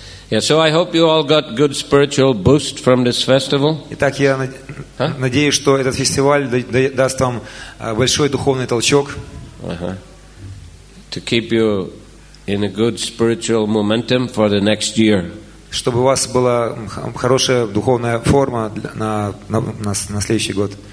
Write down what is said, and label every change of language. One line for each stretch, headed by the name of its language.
English: Yeah, so I hope you all got good spiritual boost from this festival.
Russian: Итак, я надеюсь, что этот фестиваль даст вам большой духовный толчок.
English: To keep you in a good spiritual momentum for the next year.
Russian: Чтобы у вас была хорошая духовная форма на следующий год.